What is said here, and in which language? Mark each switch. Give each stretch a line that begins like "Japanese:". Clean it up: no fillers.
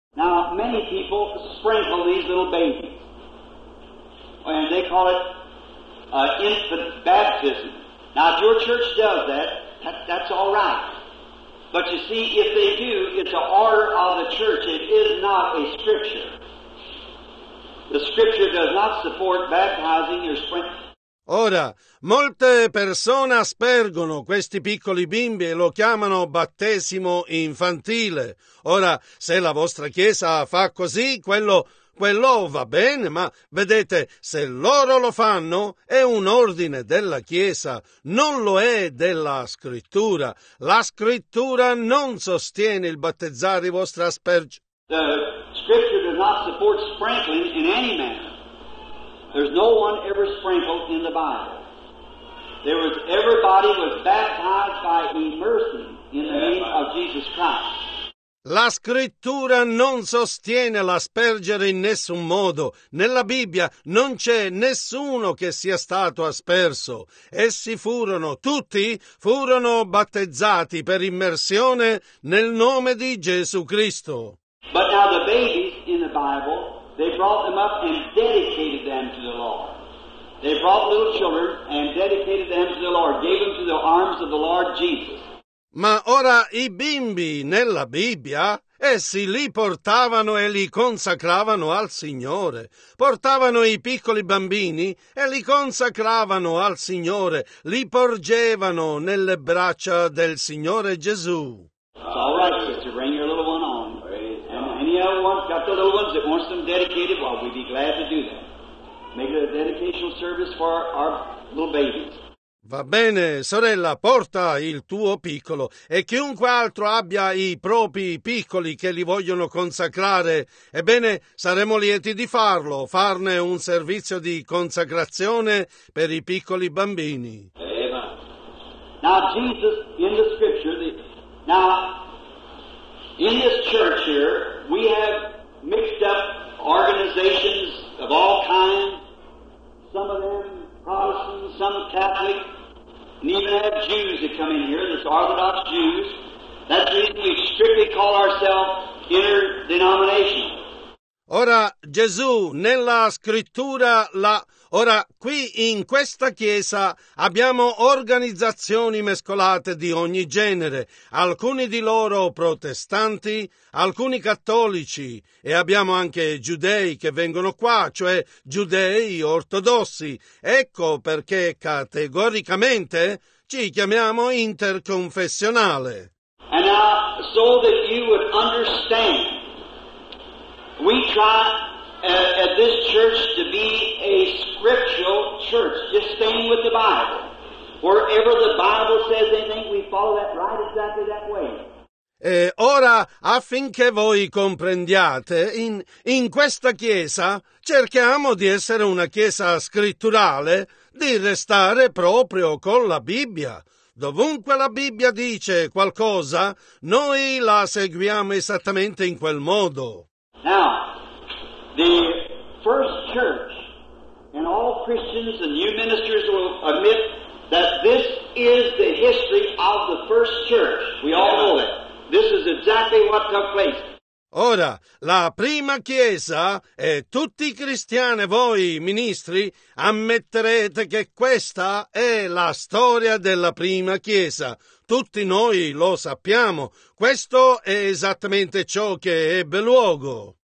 English: Now, many people sprinkle these little babies, and they call it infant baptism. Now, if your church does that's all right. But you see, if they do, it's an order of the church. It is not a scripture. The scripture does not support baptizing or sprinkling.
Italian: Ora, molte persone aspergono questi piccoli bimbi e lo chiamano battesimo infantile. Ora, se la vostra chiesa fa così, quello va bene, ma vedete, se loro lo fanno, è un ordine della chiesa, non lo è della scrittura. La scrittura non sostiene il battezzare i vostri aspergi.
English: The scripture does not support sprinkling in any manner. There's no one ever sprinkled in the Bible. Everybody was baptized by immersion in the name of Jesus Christ.
Italian: La scrittura non sostiene l'aspergere in nessun modo. Nella Bibbia non c'è nessuno che sia stato asperso. Essi furono tutti battezzati per immersione nel nome di Gesù Cristo.
English: But now the babies in the Bible, they brought them up and dedicated them to the Lord. They brought little children and dedicated them to the Lord, gave them to the arms of the Lord Jesus.
Italian: Ma ora i bimbi nella Bibbia, essi li portavano e li consacravano al Signore. Portavano i piccoli bambini e li consacravano al Signore. Li porgevano nelle braccia del Signore Gesù.
English: All right, sister, bring your little one on. And any other one got the little ones that wants them dedicated? Well, we'd be glad to do that. Make it a dedication service for our little babies.
Italian: Va bene, sorella, porta il tuo piccolo e chiunque altro abbia i propri piccoli che li vogliono consacrare, ebbene, saremo lieti di farlo, farne un servizio di consacrazione per i piccoli bambini. Amen.
English: Now Jesus, in the scripture, now in this church here, we have mixed up organizations of all kinds, some of them Protestant, some Catholic. And even have Jews that come in here, this Orthodox Jews. That's the reason we strictly call ourselves interdenominational.
Italian: Ora, Gesù, nella scrittura, ora, qui in questa chiesa abbiamo organizzazioni mescolate di ogni genere, alcuni di loro protestanti, alcuni cattolici, e abbiamo anche giudei che vengono qua, cioè giudei ortodossi. Ecco perché categoricamente ci chiamiamo interconfessionale.
English: And now, so that you would understand, we try at this church to be a scriptural church, just staying with the Bible. Wherever the Bible says anything, we follow that right exactly that way.
Italian: E ora, affinché voi comprendiate, in questa chiesa cerchiamo di essere una chiesa scritturale, di restare proprio con la Bibbia. Dovunque la Bibbia dice qualcosa, noi la seguiamo esattamente in quel modo.
English: Now, the first church, and all Christians and new ministers will admit that this is the history of the first church. We all know that. This is exactly what took place.
Italian: Ora, la prima chiesa, e tutti i cristiani, voi ministri, ammetterete che questa è la storia della prima chiesa. Tutti noi lo sappiamo. Questo è esattamente ciò che ebbe luogo.